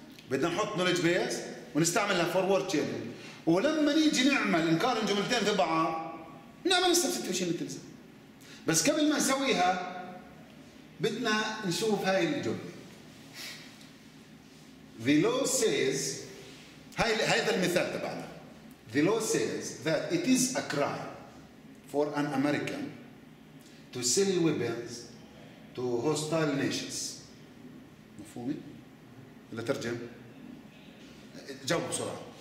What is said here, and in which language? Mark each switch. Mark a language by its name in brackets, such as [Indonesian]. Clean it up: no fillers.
[Arabic] بدنا نحط نولج بيس ونستعملها فورورد تشينينج، ولما نيجي نعمل نقارن جملتين في بعض نعمل السبستيوشن اللي تلزم. بس قبل ما نسويها بدنا نشوف هاي الجملة. [English] The law says، [Arabic] هاي هذا المثال تبعنا. [English] The law says that it is a crime for an American to sell weapons to hostile nations. [Arabic] مفهومي؟ ولا ترجم؟ جاوب بسرعة.